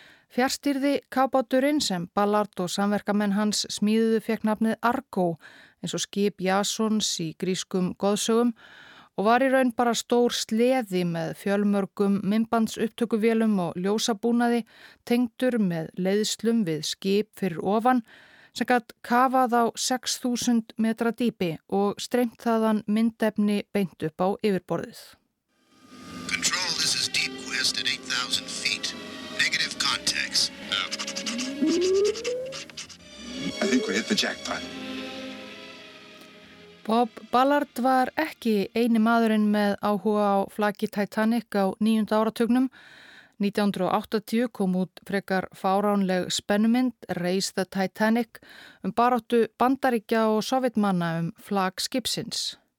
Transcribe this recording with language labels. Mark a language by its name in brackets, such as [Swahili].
[Icelandic] Fjárstýrði kábáturinn sem Ballard og samverkamenn hans smíðuðu fekk nafnið Argo, eins og skip Jasons í grískum goðsögum, og var í raun bara stór sleði með fjölmörgum myndbandsupptökuvélum og ljósabúnaði tengdur með leiðslum við skip fyrir ofan sem gat kafað á 6000 metra dýpi og streymt þaðan myndefni beint upp á yfirborðið. [English] Control, this is Deep Quest at 8000 feet. Negative contacts. I think we hit the jackpot. [Icelandic] Bob Ballard var ekki eini maðurinn með áhuga á flaki Titanic á 9. áratugnum. 1980 kom út frekar fáránleg spennumynd Race the Titanic baráttu Bandaríkja og Sovjetmanna flak skipsins.